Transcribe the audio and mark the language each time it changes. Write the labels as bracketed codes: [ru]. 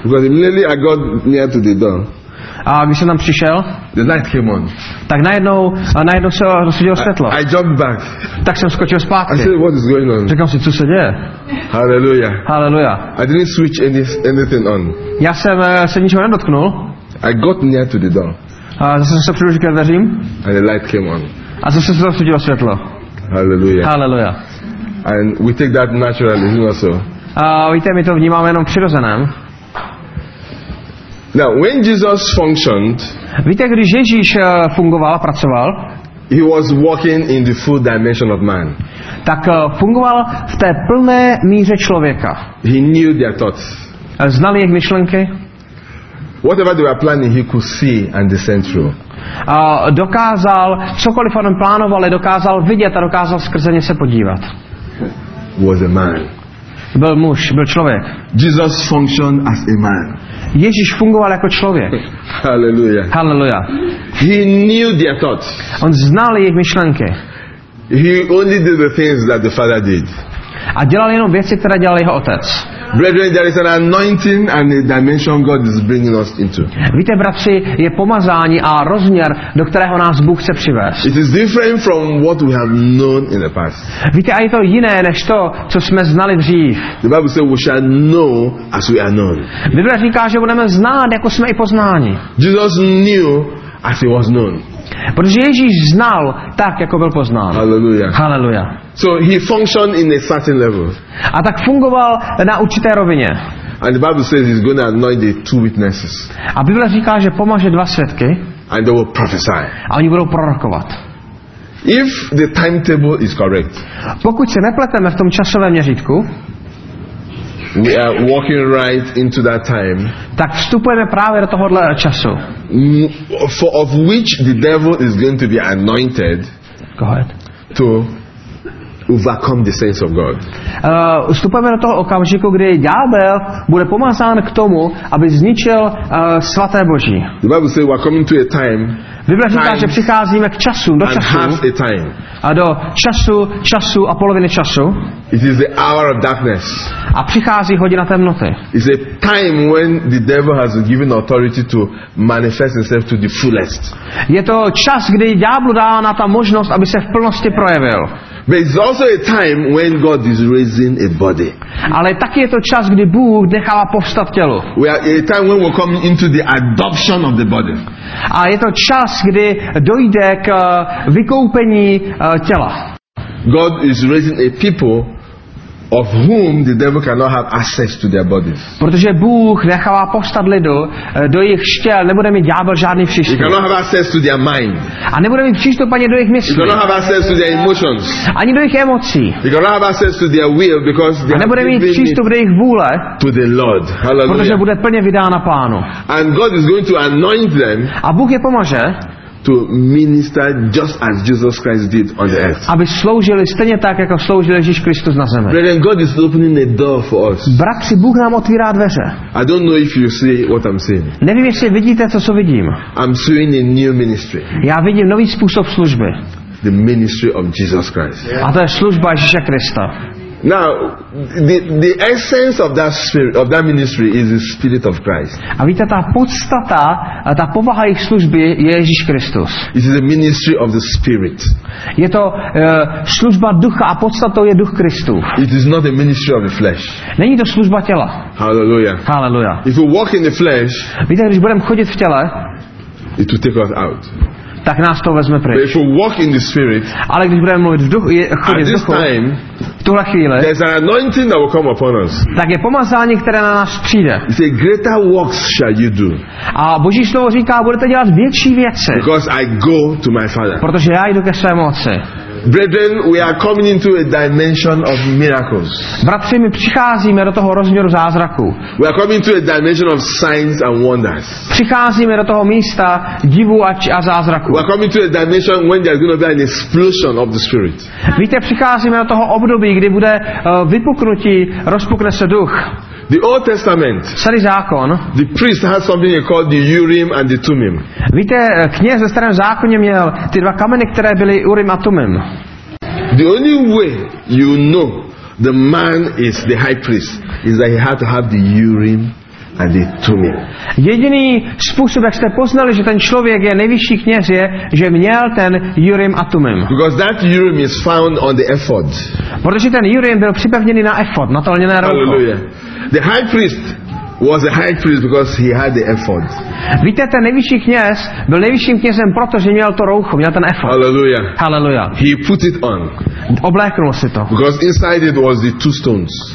[en] Because immediately I got near to the door. [cs] A když jsem tam přišel, [en] the light came on. [cs] Tak najednou se rozsvítilo světlo. [en] I jumped back. [cs] Tak jsem skočil zpátky. [en] I said, what is going on? [cs] Řekl jsem, co se děje? [en] Hallelujah. Hallelujah. I didn't switch anything on. [cs] Já jsem se ničeho nedotknul. [en] I got near to the door. [cs] A zase jsem se přiblížil ke dveřím. [en] And the light came on. [cs] A zase se rozsvítilo světlo. [en] Hallelujah. Hallelujah. And we take that naturally, you know, so. [cs] Víte, my to vnímáme jenom přirozeném. [en] Now, when Jesus functioned, [cs] víte, když Ježíš fungoval, pracoval, [en] he was walking in the full dimension of man. [cs] Tak fungoval v té plné míře člověka. [en] He knew their thoughts. [cs] Znal jejich myšlenky. [en] Whatever they were planning, he could see and discern through. [cs] Dokázal, cokoliv on plánoval, dokázal vidět a dokázal skrze ně se podívat. [en] Was a man. [cs] Byl muž, byl člověk. [en] Jesus functioned as a man. [cs] Ježíš fungoval jako člověk. [en] Hallelujah. Hallelujah. He knew their thoughts. [cs] On znal jejich myšlenky. [en] He only did the things that the Father did. [cs] A dělal jenom věci, které dělal jeho otec. [en] Brethren, there is an anointing and a dimension God is bringing us into. [cs] Víte, bratři, je pomazání a rozměr, do kterého nás Bůh chce přivést. [en] It is different from what we have known in the past. [cs] Víte, a je to jiné než to, co jsme znali dřív. [en] The Bible says we shall know as we are known. [cs] Bible říká, že budeme znát, jako jsme i poznáni. [en] Jesus knew as he was known. [cs] Protože Ježíš znal tak, jako byl poznán. [en] Hallelujah. Hallelujah. So he functioned in a certain level. [cs] A tak fungoval na určité rovině. [en] And the Bible says he's going to anoint the two witnesses. [cs] A Bible říká, že pomaže dva svědky. [en] And they will prophesy. [cs] A oni budou prorokovat. [en] If the timetable is correct. [cs] Pokud se nepleteme v tom časovém měřítku. [en] We are walking right into that time. [cs] Tak vstupujeme právě do tohohle času. [en] For of which the devil is going to be anointed. Go ahead. To overcome the sense of God. [cs] Vstupujeme do toho okamžiku, kdy ďábel bude pomazán k tomu, aby zničil svaté Boží. [en] The Bible says we are coming to a time. [cs] Bible říká, že přicházíme k času, do času. [en] And half a time. [cs] A do času, času a poloviny času. [en] It is the hour of darkness. [cs] A přichází hodina temnoty. [en] It's a time when the devil has given authority to manifest himself to the fullest. [cs] Je to čas, kdy ďáblu dána ta možnost, aby se v plnosti projevil. [en] But it's also a time when God is raising a body. [cs] Ale taky je to čas, kdy Bůh nechává povstat tělo. [en] We are a time when we're coming into the adoption of the body. [cs] A je to čas, kdy dojde k vykoupení těla. [en] God is raising a people of whom the devil cannot have access to their bodies. [cs] Protože Bůh nechává povstat lidu, do jejich štěl nebude mít ďábel žádný přístup. [en] He cannot have access to their mind. [cs] A nebude mít přístup ani do jejich myslí. [en] He cannot have access to their emotions. [cs] Ani do jejich emocí. [en] He cannot have access to their will because they [cs] a nebude mít přístup do jejich vůle. [en] To the Lord. Hallelujah. [cs] Protože bude plně vydána Pánu. [en] And God is going to anoint them. [cs] A Bůh je pomáže. [en] To minister just as Jesus Christ did on the earth. [cs] Aby sloužili stejně tak, jako sloužil Ježíš Kristus na zemi. [en] Brethren, God is opening a door for us. [cs] Bratři, Bůh nám otvírá dveře. [en] I don't know if you see what I'm seeing. [cs] Nevím, jestli vidíte, co vidím. [en] I'm seeing a new ministry. [cs] Já vidím nový způsob služby. [en] The ministry of Jesus Christ. [cs] A to je služba Ježíše Krista. [en] Now, the essence of that spirit of that ministry is the Spirit of Christ. [cs] A víte, ta podstata, ta povaha jejich služby je Ježíš Kristus. [en] It is the ministry of the Spirit. [cs] Je to služba ducha a podstatou je duch Kristův. [en] It is not the ministry of the flesh. [cs] Není to služba těla. [en] Hallelujah. Hallelujah. If we walk in the flesh, [cs] víte, když budeme chodit v těle, [en] it will take us out. [cs] Tak nás to vezme pryč. [en] But if we walk in the Spirit, [cs] ale když budeme mluvit v duchu, chodit v duchu, [en] time, [cs] v tuhle chvíli, [en] there's an anointing that will come upon us. [cs] Tak je pomazání, které na nás přijde. [en] It's a greater works shall you do. [cs] A Boží slovo říká, budete dělat větší věci. [en] Because I go to my Father. [cs] Protože já jdu ke svému Otci. [en] Brethren, we are coming into a dimension of miracles. [cs] Bratři, my přicházíme do toho rozměru zázraku. [en] We are coming into a dimension of signs and wonders. [cs] Přicházíme do toho místa divu a zázraku. [en] We are coming into a dimension when there is going to be an explosion of the Spirit. [cs] Víte, přicházíme do toho období, kdy bude vypuknutí, rozpukne se duch. [en] The Old Testament. [cs] Starý zákon. [en] The priest has something called the Urim and the Tumim. [cs] Víte, kněz ve starém zákoně měl ty dva kameny, které byly Urim a Tumim. [en] The only way you know the man is the high priest is that he had to have the Urim and the Tumim. [cs] Jediný způsob, jak jste poznali, že ten člověk je nejvyšší kněz, je, že měl ten Urim a Tumim. [en] Because that Urim is found on the ephod. [cs] Protože ten Urim byl připevněný na ephod, na to lněné rouho. [en] Hallelujah. The high priest was a high priest because he had the ephod. [cs] Víte, ten nejvyšší kněz byl nejvyšším knězem, protože měl to roucho, měl ten ephod. [en] Hallelujah. Hallelujah. He put it on. [cs] Obléknul si to. [en] Because inside it was the two stones.